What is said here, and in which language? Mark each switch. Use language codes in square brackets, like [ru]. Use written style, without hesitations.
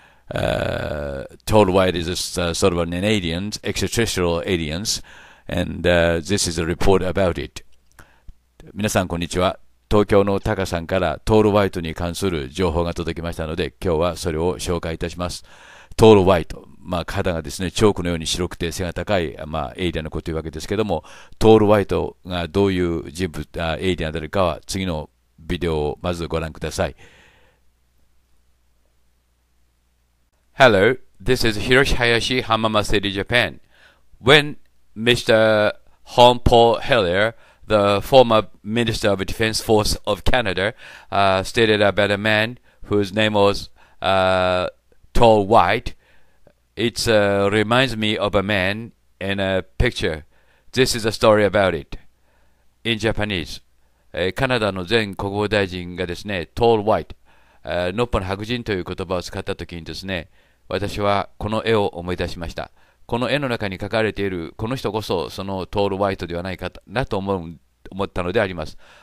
[en] Tall white is a sort of an alien, extraterrestrial aliens, and this is a report about it. [ja] 皆さん、こんにちは。東京のタカさんからトールワイトに関する情報が届きましたので、今日はそれを紹介いたします。トールワイト、まあ、肌がですね、チョークのように白くて背が高い、まあ、エイリアンのことというわけですけども、トールワイトがどういう人物、エイリアンであるかは次のビデオをまずご覧ください。 [en] Hello, this is Hiroshi Hayashi, Hamama City, Japan. When Mr. Paul Heller, the former Minister of Defense Force of Canada, stated about a man whose name was Tall White, it reminds me of a man in a picture. This is a story about it in Japanese. [ja] カナダの前国防大臣がですね、Tall White、のっぽの白人という言葉を使った時にですね、私はこの絵を思い出しました。この絵の中に描かれているこの人こそ、そのトールホワイトではないかなと思ったのであります。